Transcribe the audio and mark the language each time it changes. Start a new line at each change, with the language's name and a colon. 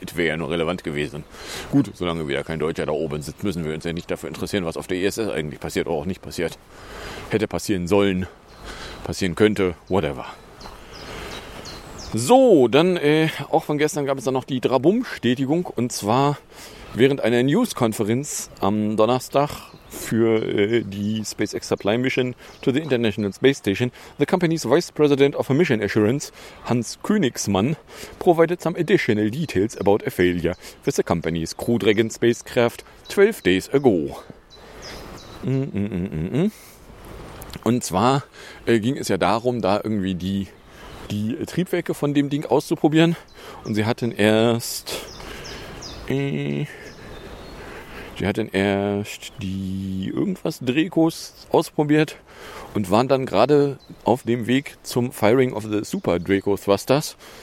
German: Es wäre ja nur relevant gewesen. Gut, solange wieder kein Deutscher da oben sitzt, müssen wir uns ja nicht dafür interessieren, was auf der ISS eigentlich passiert oder auch nicht passiert. Hätte passieren sollen, passieren könnte, whatever. So, dann auch von gestern gab es dann noch die Drabum-Stetigung. Und zwar während einer News-Konferenz am Donnerstag für die
English: SpaceX Supply Mission to the International Space Station, the company's Vice President of Mission Assurance, Hans Königsmann, provided some additional details about a failure with the company's Crew Dragon spacecraft 12 days ago.
German: Und zwar ging es ja darum, da irgendwie die Triebwerke von dem Ding auszuprobieren. Und sie hatten erst die irgendwas Drehkurs ausprobiert und waren dann gerade auf dem Weg zum
English: Firing of the Super Draco Thrusters.